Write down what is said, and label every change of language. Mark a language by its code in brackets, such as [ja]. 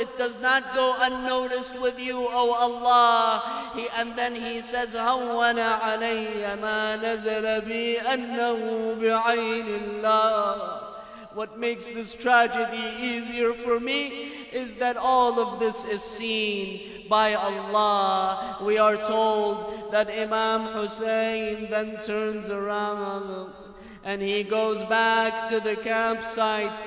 [en] It does not go unnoticed with you, oh Allah. And then he says, [ar] هَوَّنَ عَلَيَّ مَا نَزَلَ بِي أَنَّهُ بِعَيْنِ اللَّهِ. [en] What makes this tragedy easier for me is that all of this is seen by Allah. We are told that Imam Hussein then turns around and he goes back to the campsite.